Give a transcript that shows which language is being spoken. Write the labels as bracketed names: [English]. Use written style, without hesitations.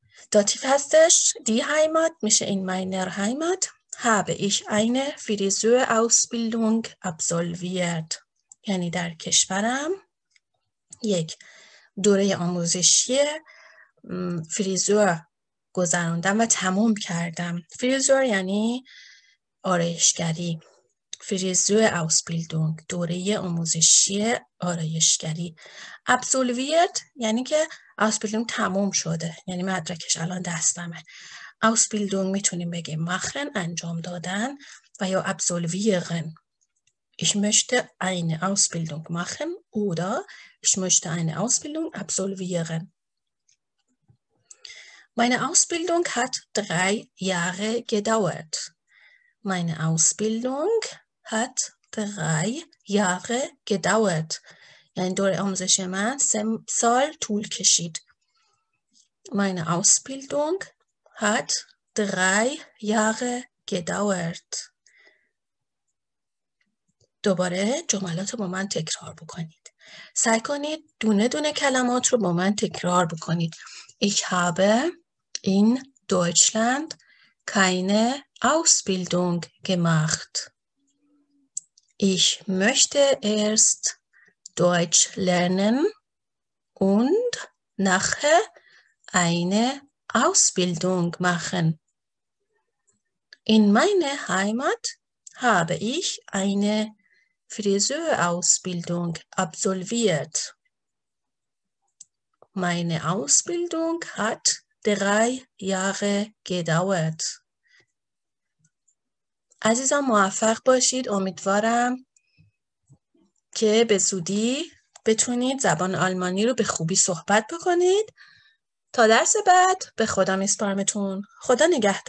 [Persian] داتیف هستش، دی هایمت میشه این [German] meiner Heimat habe ich eine Friseur Ausbildung absolviert. [Persian] یعنی در کشورم یک دوره آموزشی فریزور گذروندم و تموم کردم. فریزور یعنی آرایشگری. فریزور اوسپیلدونگ، دوره آموزشی آرایشگری. ابسولویرت یعنی که اوسپیلدونگ تموم شده، یعنی مدرکش الان دستمه. اوسپیلدونگ میتونیم بگیم ماخن، انجام دادن، و یا ابسولویرن. [German] ایش مشته این اوسپیلدونگ ماخن او دا ایش مشته این اوسپیلدونگ ابسولویرن. Meine Ausbildung hat 3 Jahre gedauert. Meine Ausbildung hat 3 Jahre gedauert. [Persian] یعنی دوره آموزش من 3 سال طول کشید. [German] Meine Ausbildung hat 3 Jahre gedauert. [Persian] دوباره جملات رو با من تکرار بکنید. سعی کنید دونه دونه کلمات رو با من تکرار بکنید. [German] Ich habe in Deutschland keine Ausbildung gemacht. Ich möchte erst Deutsch lernen und nachher eine Ausbildung machen. In meiner Heimat habe ich eine Friseurausbildung absolviert. Meine Ausbildung hat 3 Jahre gedauert. [Persian] عزیزم موفق باشید. امیدوارم که به زودی بتونید زبان آلمانی رو به خوبی صحبت بکنید. تا درس بعد به خدا میسپارمتون. خدا نگهدار.